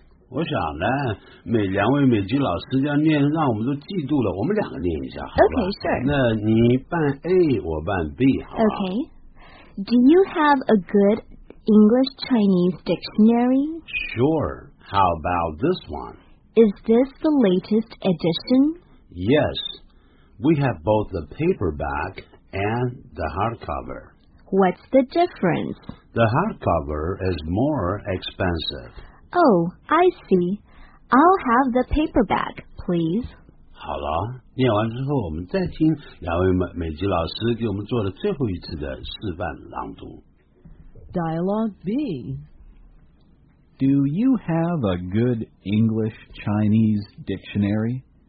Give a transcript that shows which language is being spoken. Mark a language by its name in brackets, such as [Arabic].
[Chinese] 我想呢，每两位美籍老师这样念，让我们都嫉妒了。我们两个念一下，好吧 [English] ？Okay, sure. [Chinese] 那你办 A， 我办 B， 好吧 [English] ？Okay. Do you have a good English-Chinese dictionary? Sure. How about this one? Is this the latest edition? Yes. We have both the paperback and the hardcover. What's the difference? The hardcover is more expensive. Oh, I see. I'll have the paperback, please. [Chinese] 好了，念完之后，我们再听两位美籍老师给我们做的最后一次的示范朗读。 [English] Dialogue B. Do you have a good English-Chinese dictionary?